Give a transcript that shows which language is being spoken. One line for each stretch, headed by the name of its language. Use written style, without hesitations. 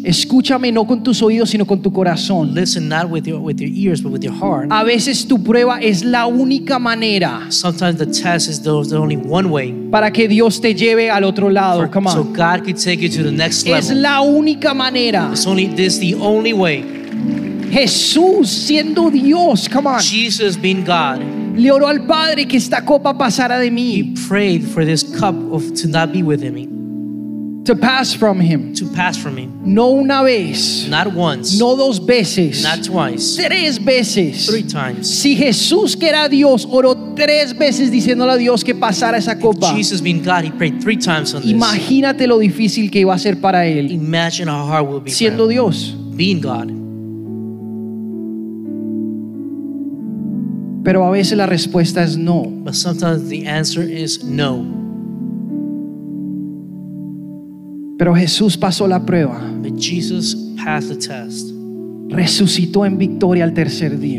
Spanish: Escúchame no con tus oídos sino con tu corazón.
English: Listen not with your ears but with your heart.
Spanish: A veces tu prueba es la única manera.
English: Sometimes the test is the only one way.
Spanish: Para que Dios te lleve al otro lado.
English: Come on. So God could take you to the next level.
Spanish: Es la única manera.
English: This is the only way.
Spanish: Jesús siendo Dios,
English: come on. Jesus being God.
Spanish: Le oró al Padre que esta copa pasara de mí.
English: He prayed for this cup of to not be with him. To pass from him. To pass from him.
Spanish: No una vez.
English: Not once.
Spanish: No dos veces.
English: Not twice.
Spanish: Tres veces.
English: Three times.
Spanish: Si Jesús que era Dios oró tres veces diciéndole a Dios que pasara esa copa.
English: If Jesus being God, he prayed three times on this.
Spanish: Imagínate lo difícil que iba a ser para él.
English: Imagine how hard will be.
Spanish: Siendo Dios.
English: Being God.
Spanish: Pero a veces la respuesta es no.
English: But sometimes the answer is no.
Spanish: Pero Jesús pasó la prueba.
English: But Jesus passed the test.
Spanish: Resucitó en victoria al tercer día.